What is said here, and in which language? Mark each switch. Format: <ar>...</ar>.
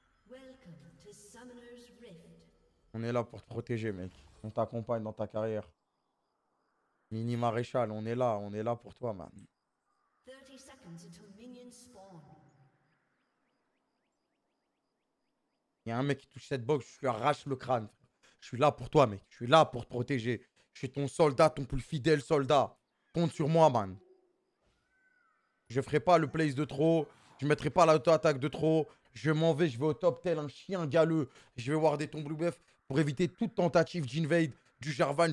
<en>Welcome to Summoner's Rift.</en> <fr>On est là pour te protéger, mec. On t'accompagne dans ta carrière. Mini maréchal, on est là pour toi, man. 30 secondes</fr> <en>until minions spawn.</en> <fr>Il y a un mec qui touche cette box, je lui arrache le crâne. Je suis là pour toi, mec. Je suis là pour te protéger. Je suis ton soldat, ton plus fidèle soldat. Compte sur moi, man. Je ferai pas le place de trop. Je mettrai pas l'auto-attaque de trop. Je m'en vais, je vais au top tel un chien galeux. Je vais warder ton blue buff pour éviter toute tentative d'invade du Jarvan.</fr>